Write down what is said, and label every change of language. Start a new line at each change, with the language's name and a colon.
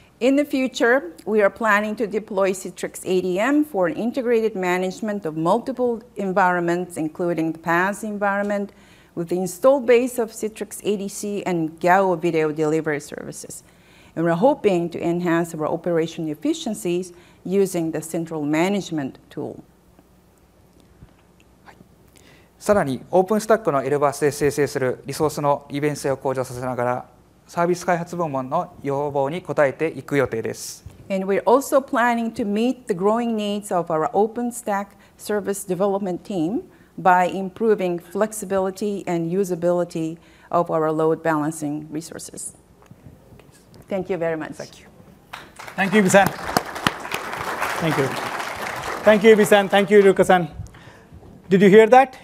English: In the future, we are planning to deploy Citrix ADM for an integrated management of multiple environments, including the PaaS environment, with the installed base of Citrix ADC and GAO video delivery services. And we're hoping to enhance our operation efficiencies using the central management tool.
Japanese: さらに、オープンスタックのエルバースで生成するリソースの利便性を向上させながら、サービス開発部門の要望に応えていく予定です。
English: And we're also planning to meet the growing needs of our OpenStack service development team by improving flexibility and usability of our load balancing resources. Thank you very much. Thank you. Thank you, Ibi-san. Thank you. Thank you, Ibi-san. Thank you, Ruka-san. Did you hear that?